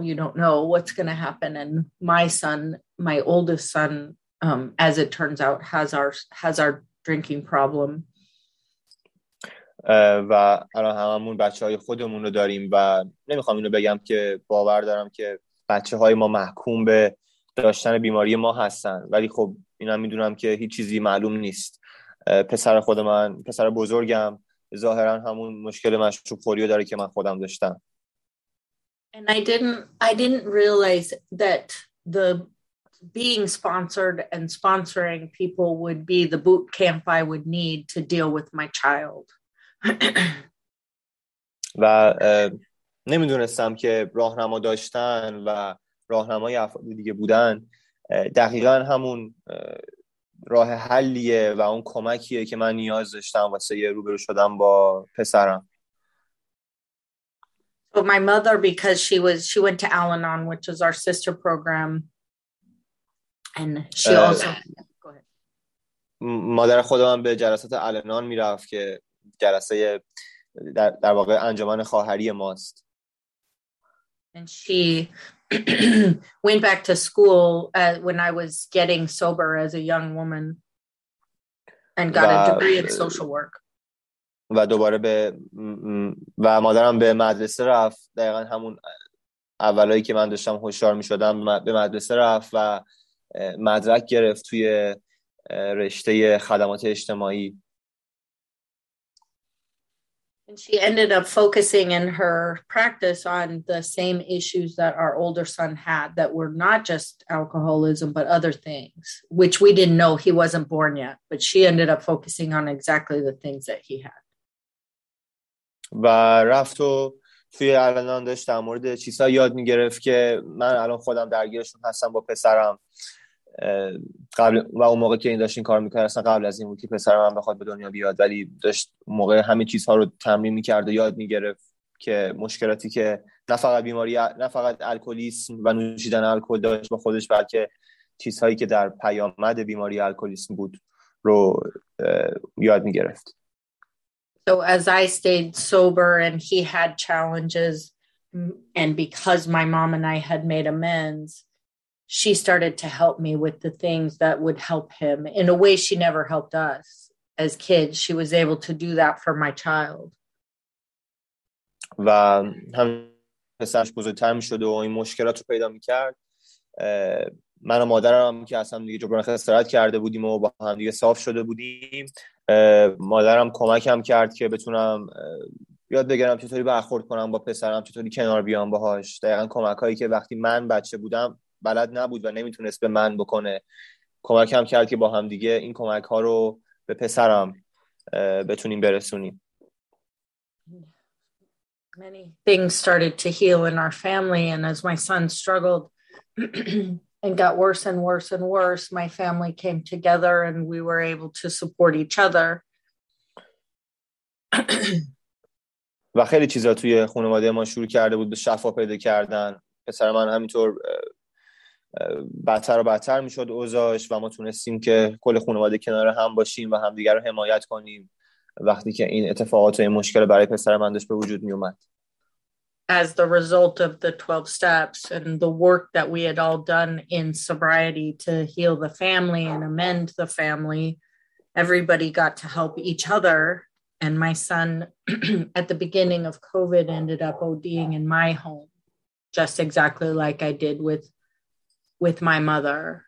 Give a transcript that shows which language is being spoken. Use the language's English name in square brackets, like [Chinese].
[English] You don't know what's going to happen. And my son, my oldest son, as it turns out, has our drinking problem. [Persian] و الان هممون بچه های خودمون رو داریم و نمیخوام اینو بگم که باور دارم که بچه های ما محکوم به داشتن بیماری ما هستن، ولی خب اینم میدونم که هیچ چیزی معلوم نیست. پسر خود من، پسر بزرگم، ظاهرا همون مشکل مشروب خوری رو داره که من خودم داشتم. [English] And I didn't realize that the being sponsored and sponsoring people would be the boot camp I would need to deal with my child. [Persian] و نمیدونستم که راهنما داشتن و راهنمای افراد دیگه بودن دقیقاً همون راه حلیه و اون کمکیه که من نیاز داشتم واسه روبرو شدن با پسرم. [English] But my mother, because she went to Al-Anon, which is our sister program, and she also go ahead. [Persian] مادر خودم به جلسات آلنان میرفت که جلسه در واقع انجمن خواهری ماست. [English] And she went back to school when I was getting sober as a young woman and got a degree in social work. [Persian] و دوباره به و مادرم به مدرسه رفت، دقیقا همون اولایی که من داشتم هوشیار می‌شدم به مدرسه رفت و مدرک گرفت توی رشته خدمات اجتماعی. [English] And she ended up focusing in her practice on the same issues that our older son had, that were not just alcoholism, but other things, which we didn't know, he wasn't born yet, but she ended up focusing on exactly the things that he had. [Persian] و رفت و توی الان داشت در مورد چیزها یاد میگرفت که من الان خودم درگیرشون هستم با پسرم قبل و اون موقع که این داشت این کار میکرد اصلا قبل از این بود که پسر من بخواد به دنیا بیاد، ولی داشت موقع همه چیزها رو تمرین میکرد و یاد میگرفت که مشکلاتی که نه فقط بیماری، نه فقط الکلیسم و نوشیدن الکل داشت با خودش، بلکه چیزهایی که در پیامد بیماری الکلیسم بود رو یاد میگرفت. [English] So as I stayed sober and he had challenges, and because my mom and I had made amends, she started to help me with the things that would help him in a way she never helped us as kids. She was able to do that for my child. [Persian] و هم پسرش بزرگتر میشد و این مشکلات رو پیدا میکرد. من و مادرم که اصلا دیگه جبران خسارت کرده بودیم و با هم دیگه صاف شده بودیم، مادرم کمکم کرد که بتونم یاد بگیرم چطوری برخورد کنم با پسرم، چطوری کنار بیام باهاش. دقیقا کمک هایی که وقتی من بچه بودم بلد نبود و نمیتونست به من بکنه، کمکم کرد که با هم دیگه این کمک ها رو به پسرم بتونیم برسونیم. [English] Many things started to heal in our family, and as my son struggled and got worse and worse and worse, my family came together and we were able to support each other. [Persian] و خیلی چیزا توی خانواده ما شروع کرده بود به شفا پیدا کردن. پسر من همینطور بدتر و بدتر میشد اوضاعش و ما تونستیم که کل خانواده کنار هم باشیم و همدیگر رو حمایت کنیم وقتی که این اتفاقات و این مشکل برای پسر من داشت به وجود میومد. [English] As the result of the 12 steps and the work that we had all done in sobriety to heal the family and amend the family, everybody got to help each other. And my son, at the beginning of COVID, ended up ODing in my home, just exactly like I did with my mother.